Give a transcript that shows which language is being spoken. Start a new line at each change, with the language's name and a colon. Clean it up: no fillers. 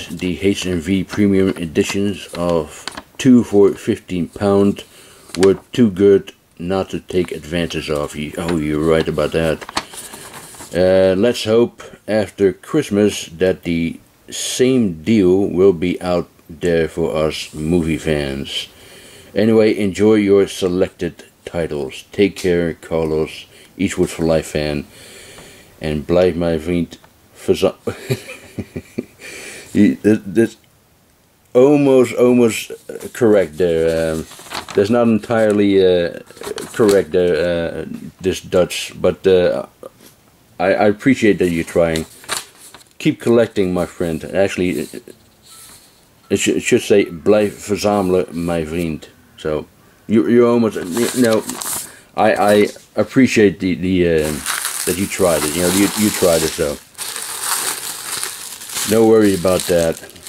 English: The H&V premium editions of 2 for £15 were too good not to take advantage of. Oh, you're right about that. Let's hope after Christmas that the same deal will be out there for us movie fans. Anyway, enjoy your selected titles. Take care, Carlos, Eastwood4life fan, and
Dutch: blijf mijn vriend.
English: This almost correct there. That's not entirely correct there, this Dutch, but I appreciate that you're trying. Keep collecting, my friend. Actually, It should say
Dutch: "blijf verzamelen, mijn vriend."
English: So, you're almost, you know, I appreciate the that you tried it. You know, you tried it, so no worry about that.